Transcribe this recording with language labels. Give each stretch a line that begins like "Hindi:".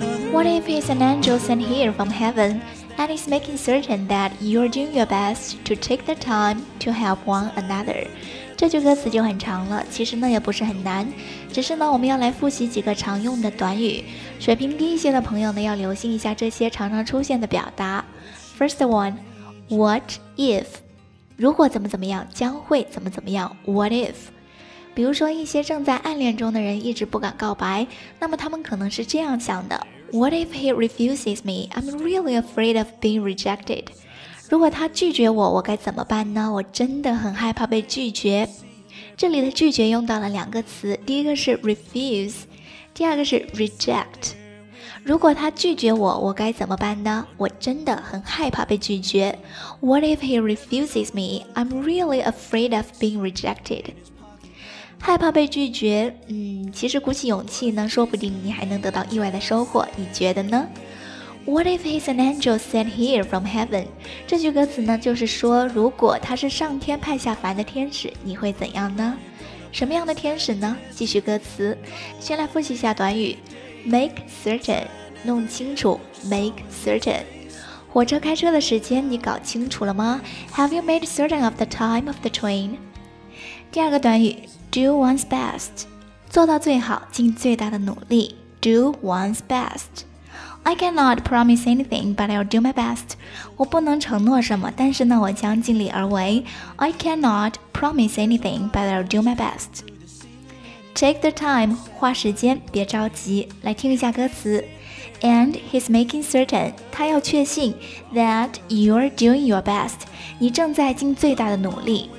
English: What if it's an angel sent here from heaven and is making certain that you're doing your best to take the time to help one another?
Chinese: 这句歌词就很长了，其实呢也不是很难，只是呢我们要来复习几个常用的短语，水平低一些的朋友呢要留心一下这些常常出现的表达。
English: First one, what if?
Chinese: 如果怎么怎么样，将会怎么怎么样，
English: what if?
Chinese: 比如说一些正在暗恋中的人一直不敢告白，那么他们可能是这样想的
English: What if he refuses me? I'm really afraid of being rejected.
Chinese: 如果他拒绝我，我该怎么办呢？我真的很害怕被拒绝。这里的拒绝用到了两个词，第一个是 refuse， 第二个是 reject。如果他拒绝我，我该怎么办呢？我真的很害怕被拒绝。
English: What if he refuses me? I'm really afraid of being rejected.
Chinese: 害怕被拒绝，其实鼓起勇气呢，说不定你还能得到意外的收获，你觉得呢？
English: What if he's an angel sent here from heaven?
Chinese: 这句歌词呢，就是说如果他是上天派下凡的天使，你会怎样呢？什么样的天使呢？继续歌词，先来复习一下短语 make certain， 弄清楚 make certain。火车开车的时间你搞清楚了吗？
English: Have you made certain of the time of the train?
Chinese: 第二个短语
English: Do one's best，
Chinese: 做到最好，尽最大的努力。
English: Do one's best。 I cannot promise anything, but I'll do my best。
Chinese: 我不能承诺什么，但是呢，我将尽力而为。
English: I cannot promise anything, but I'll do my best。 Take the time，
Chinese: 花时间，别着急。来听一下歌词。
English: And he's making certain，
Chinese: 他要确信
English: that you're doing your best，
Chinese: 你正在尽最大的努力。